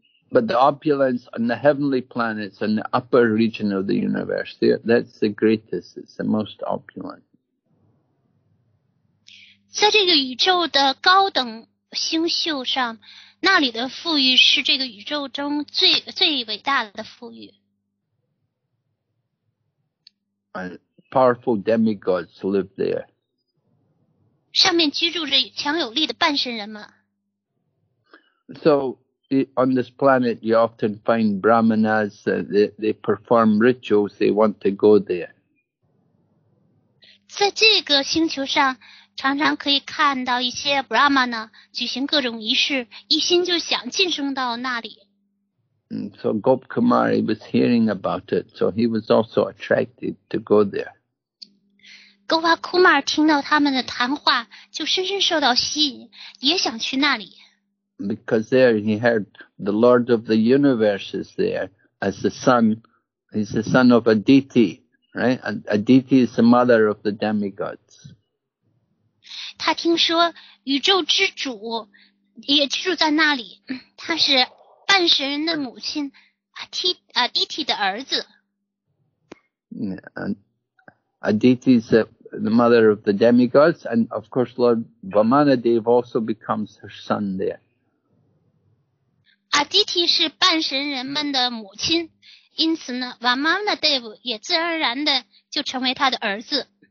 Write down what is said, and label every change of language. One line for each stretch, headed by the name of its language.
English: But the opulence on the heavenly planets and the upper region of the universe, that's the greatest, it's the most opulent.
Chinese: 在这个宇宙的高等星宿上，那里的富裕是这个宇宙中最伟大的富裕。
English: And powerful demigods live there.
Chinese: 上面居住着强有力的半神人们。
English: So,on this planet, you often find brahmanas, they perform rituals, they want to go there.
Chinese: 在这个星球上，常常可以看到一些 brahmana 举行各种仪式，一心就想晋升到那里。
English: So Gop Kumari was hearing about it, so he was also attracted to go there.
Chinese: Gopa Kumar 听到他们的谈话，就深深受到吸引，也想去那里。
English: Because there he heard the Lord of the universe is there as the son, he's the son of Aditi, right? Aditi is the mother of the demigods.
Chinese: 他听说宇宙之主也居住在那里，他是半神人的母亲，Aditi的儿子。
English: Yeah, and Aditi is the mother of the demigods, and of course Lord Vamanadeva also becomes her son there. Aditi is
Chinese: 半神人们的母亲，因此呢 Vamanadeva 也自然而然的就成为他的儿子。